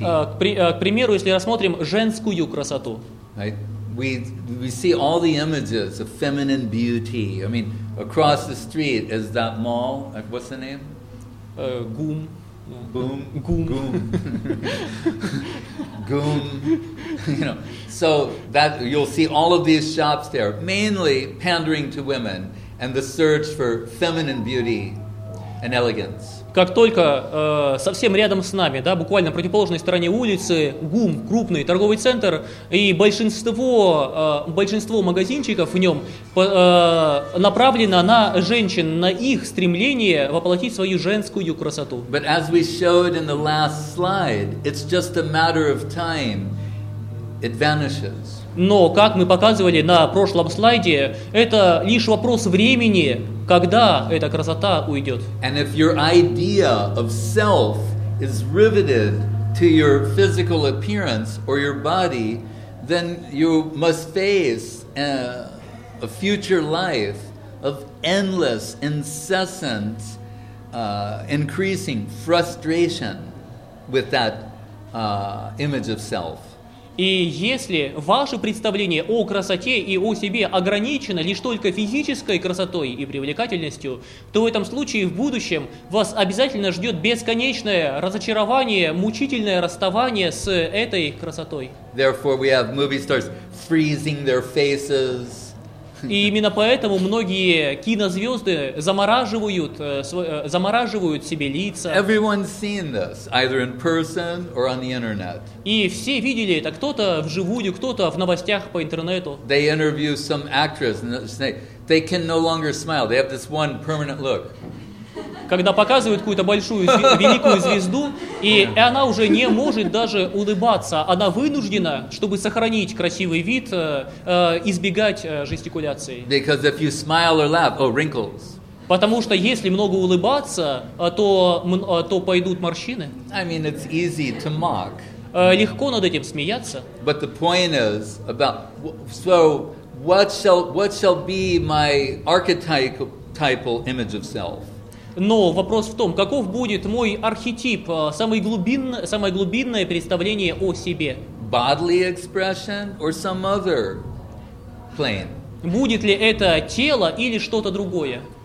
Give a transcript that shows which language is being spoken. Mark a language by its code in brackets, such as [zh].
[ru] К примеру, если рассмотрим женскую красоту. [en] Right? We see all the images of feminine beauty. I mean, across the street is that mall. What's the name? Goom. Boom. Goom. Goom. Goom. You know, so that you'll see all of these shops there, mainly pandering to women and the search for feminine beauty and elegance. [ru] Как только совсем рядом с нами, да, буквально на противоположной стороне улицы, ГУМ, крупный торговый центр, и большинство магазинчиков в нем направлено на женщин, на их стремление воплотить свою женскую красоту. [en] But as we showed in the last slide, it's just a matter of time. It vanishes. [ru] Но, как мы показывали на прошлом слайде, это лишь вопрос времени, когда эта красота уйдет. [en] And if your idea of self is riveted to your physical appearance or your body, then you must face a future life of endless, incessant, increasing frustration with that image of self. [ru] И если ваше представление о красоте и о себе ограничено лишь только физической красотой и привлекательностью, то в этом случае в будущем вас обязательно ждет бесконечное разочарование, мучительное расставание с этой красотой. [en] Therefore, we have movie stars freezing their faces. [ru] И именно поэтому многие кинозвезды замораживают себе лица. [en] Everyone's seen this, either in person or on the internet. [ru] И все видели это, кто-то вживую, кто-то в новостях по интернету. [en] They interview some actress and they can no longer smile. They have this one permanent look. [ru] Когда показывают какую-то большую, великую звезду, и она уже не может даже улыбаться. Она вынуждена, чтобы сохранить красивый вид, избегать жестикуляции. [en] Because if you smile or laugh, oh, wrinkles. [ru] Потому что если много улыбаться, то пойдут морщины. [en] I mean, it's easy to mock. [ru] Легко над этим смеяться. [en] But the point is about, so what shall be my archetypal image of self? [ru] Но вопрос в том, каков будет мой архетип, самое глубинное представление о себе? [en] Bodily expression or some other plane? [ru] Будет ли это тело или что-то другое?